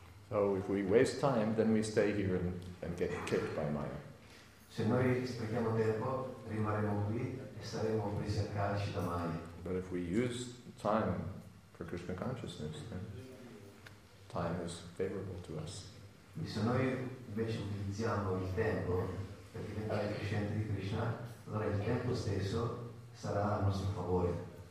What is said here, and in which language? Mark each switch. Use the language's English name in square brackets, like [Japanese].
[English] So if we waste time, then we stay here and get kicked by Maya. [Italian] Se noi sprechiamo tempo, rimarremo qui e saremo presi a calci da Maya. [English] But if we use time for Krishna consciousness, then time is favorable to us. [Italian] E se noi invece utilizziamo il tempo per diventare crescenti di Krishna, allora il tempo stesso sarà a nostro favore.